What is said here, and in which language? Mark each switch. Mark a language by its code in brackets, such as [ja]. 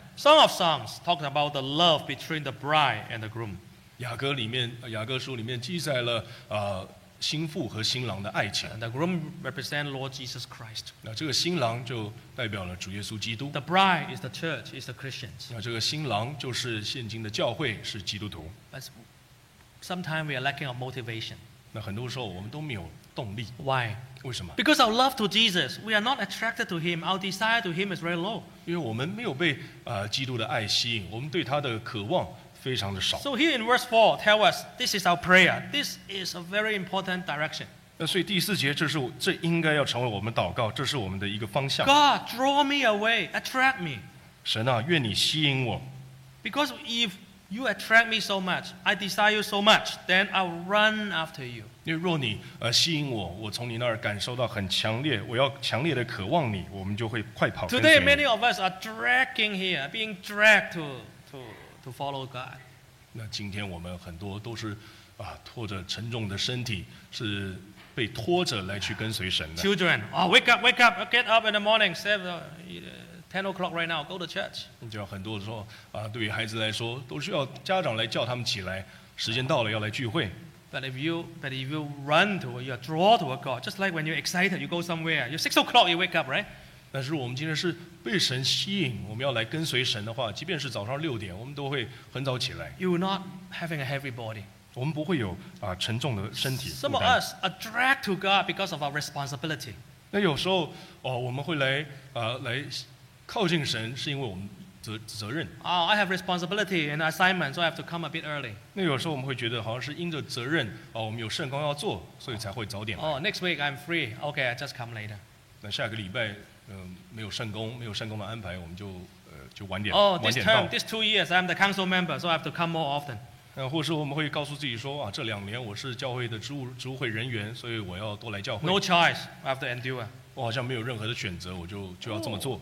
[en] Song of Songs talks about the love between the bride and the groom. [zh] 雅各书里面记载了新妇和新郎的爱情。 [en] The groom represents Lord Jesus Christ. [zh] 那这个新郎就代表了主耶稣基督。 [en] The bride is the church, is the Christians. [zh] 那这个新郎就是现今的教会，是基督徒。 [en] But sometimes we are lacking of motivation. [zh] 那很多时候我们都没有动力。 [en] Why? [zh] 为什么? [en] Because our love to Jesus, we are not attracted to Him. Our desire to Him is very low. [zh] 因为我们没有被基督的爱吸引，我们对他的渴望。 [en] So here in verse 4, tell us, this is our prayer. This is a very important direction. [zh] 所以第四节这应该要成为我们祷告，这是我们的一个方向。 [en] God, draw me away, attract me. [zh] 神啊，愿你吸引我。 [en] Because if you attract me so much, I desire you so much, then I'll run after you. [zh] 因为若你吸引我，我从你那儿感受到很强烈，我要强烈的渴望你，我们就会快跑跟随你。 [en] Today, many of us are dragging here, being dragged to follow God. [zh] 那今天我们很多都是拖着沉重的身体，是被拖着来去跟随神的。 [en] Children, wake up, get up in the morning, 10 o'clock right now, go to church. [zh] 就很多时候对于孩子来说，都需要家长来叫他们起来，时间到了要来聚会。 [en] But if you run to, you are drawn to a God, just like when you're excited, you go somewhere, you're 6 o'clock, you wake up, right? [zh] 但是我们今天是被神吸引，我们要来跟随神的话，即便是早上6点，我们都会很早起来。 [en] You're not having a heavy body. [zh] 我们不会有沉重的身体负担。 [en] Some of us are dragged to God because of our responsibility. [zh] 那有时候我们会来靠近神，是因为我们责任。 [en] Oh, I have responsibility and assignment, so I have to come a bit early. [zh] 那有时候我们会觉得好像是因着责任，我们有圣工要做，所以才会早点来。 [en] Oh, next week I'm free. Okay, I just come later. [zh] 那下个礼拜。没有圣工的安排，我们就晚点到。 [en] Oh, this term, this 2 years, I'm the council member, so I have to come more often. [zh] 或是我们会告诉自己说，这两年我是教会的职务会人员，所以我要多来教会。 [en] No choice, I have to endure. [zh] 我好像没有任何的选择，我就要这么做。